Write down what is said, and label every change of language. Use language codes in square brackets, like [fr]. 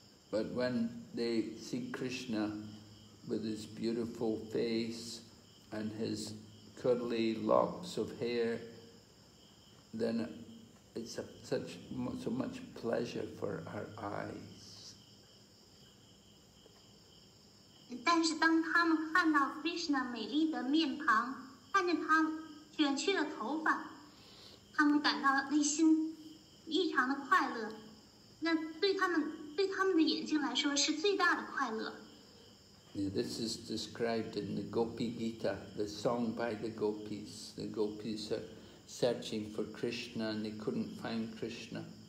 [en] But when they see Krishna. With his beautiful face and his curly locks of hair, then it's so much pleasure for our eyes. [zh] 但是当他们看到 Krishna 美丽的面庞，看见他卷曲的头发，他们感到内心异常的快乐。那对他们的眼睛来说是最大的快乐。 [en] Now, this is described in the Gopi Gita, the song by the gopis. The gopis are searching for Krishna and they couldn't find Krishna.